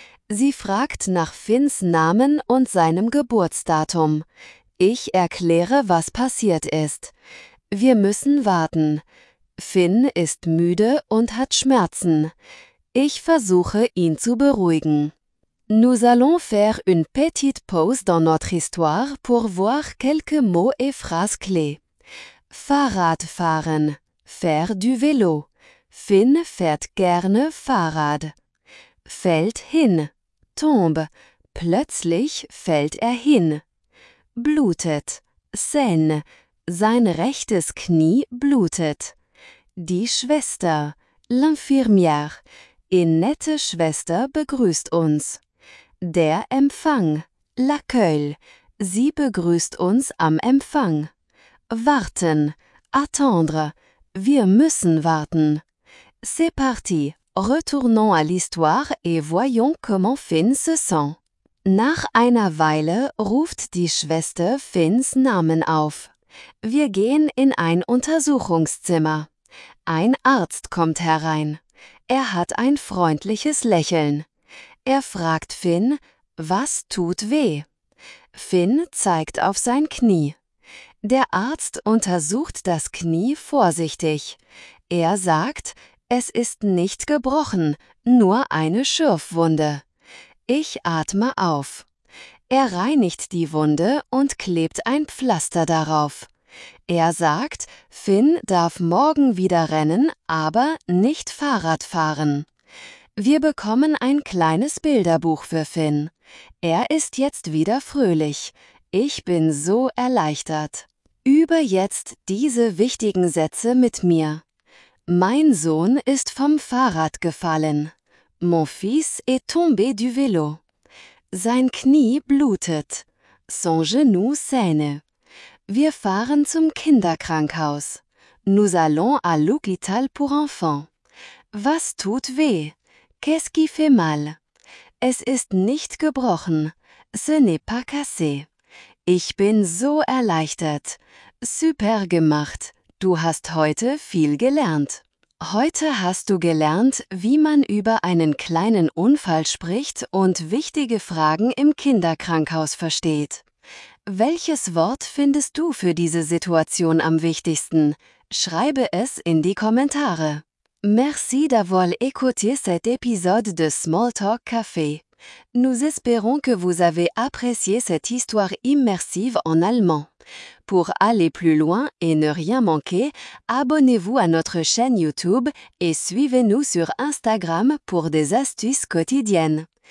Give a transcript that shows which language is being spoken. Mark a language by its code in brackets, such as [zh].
[de] Sie fragt nach Finns Namen und seinem Geburtsdatum. Ich erkläre, was passiert ist. Wir müssen warten. Finn ist müde und hat Schmerzen. Ich versuche, ihn zu beruhigen. [fr] Nous allons faire une petite pause dans notre histoire pour voir quelques mots et phrases clés. [de] Fahrrad fahren. [fr] Faire du vélo. [de] Finn fährt gerne Fahrrad. Fällt hin. [fr] Tombe. [de] Plötzlich fällt er hin. Blutet. Seine. Sein rechtes Knie blutet. Die Schwester. [fr] L'infirmière. [de] Die nette Schwester begrüßt uns. Der Empfang, [fr] l'accueil, [de] sie begrüßt uns am Empfang. Warten, [fr] attendre, [de] wir müssen warten. [fr] C'est parti, retournons à l'histoire et voyons comment Finn se sent. [de] Nach einer Weile ruft die Schwester Finns Namen auf. Wir gehen in ein Untersuchungszimmer. Ein Arzt kommt herein. Er hat ein freundliches Lächeln. Er fragt Finn, was tut weh? Finn zeigt auf sein Knie. Der Arzt untersucht das Knie vorsichtig. Er sagt, es ist nicht gebrochen, nur eine Schürfwunde. Ich atme auf. Er reinigt die Wunde und klebt ein Pflaster darauf. Er sagt, Finn darf morgen wieder rennen, aber nicht Fahrrad fahren. Wir bekommen ein kleines Bilderbuch für Finn. Er ist jetzt wieder fröhlich. Ich bin so erleichtert. Übe jetzt diese wichtigen Sätze mit mir. Mein Sohn ist vom Fahrrad gefallen. [fr] Mon fils est tombé du vélo. [de] Sein Knie blutet. [fr] Son genou saigne. [de] Wir fahren zum Kinderkrankenhaus. [fr] Nous allons à l'hôpital pour enfants. [de] Was tut weh? [fr] Qu'est-ce qui fait mal? [de] Es ist nicht gebrochen. [fr] Ce n'est pas cassé. [de] Ich bin so erleichtert. Super gemacht. Du hast heute viel gelernt. Heute hast du gelernt, wie man über einen kleinen Unfall spricht und wichtige Fragen im Kinderkrankenhaus versteht. Welches Wort findest du für diese Situation am wichtigsten? Schreibe es in die Kommentare. [fr] Merci d'avoir écouté cet épisode de Small Talk Café. Nous espérons que vous avez apprécié cette histoire immersive en allemand. Pour aller plus loin et ne rien manquer, abonnez-vous à notre chaîne YouTube et suivez-nous sur Instagram pour des astuces quotidiennes.